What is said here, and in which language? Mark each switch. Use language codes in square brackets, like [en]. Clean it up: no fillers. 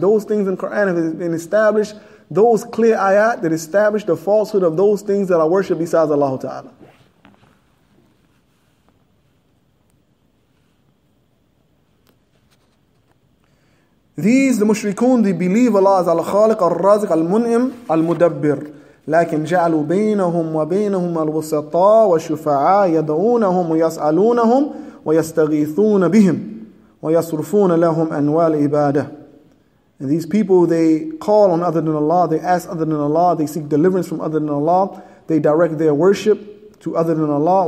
[en] Those things in Quran have been established. Those clear ayat that establish the falsehood of those things that are worshipped besides Allah Ta'ala. These, the mushrikun, they believe Allah is al-khaliq, al-razik, al-mun'im, al-mudabbir. [ar] لكن جعلوا بينهم وبينهم الوسطاء والشفعاء يدعونهم ويسألونهم ويستغيثون بهم ويصرفون لهم أنوال عبادة. [en] And these people, they call on other than Allah, they ask other than Allah, they seek deliverance from other than Allah, they direct their worship to other than Allah.